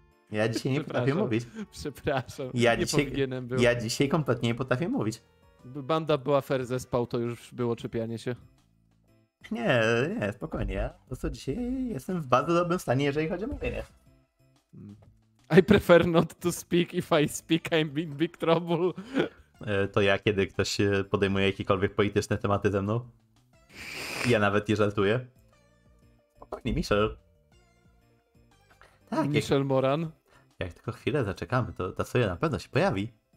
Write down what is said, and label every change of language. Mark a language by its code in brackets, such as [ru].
[pl] Ja dzisiaj nie potrafię mówić. Przepraszam, nie powinienem był. Ja dzisiaj kompletnie nie potrafię mówić. Banda była fair, zespał, to już było czepianie się. Nie, spokojnie. Po prostu dzisiaj jestem w bardzo dobrym stanie, jeżeli chodzi o mówienie. [en] I prefer not to speak. If I speak, I'm in big trouble. [pl] To ja, kiedy ktoś podejmuje jakiekolwiek polityczne tematy ze mną. Ja nawet nie żartuję. Spokojnie, Michel. Tak, Michel Moran. Jak tylko chwilę zaczekamy, to ta soja na pewno się pojawi.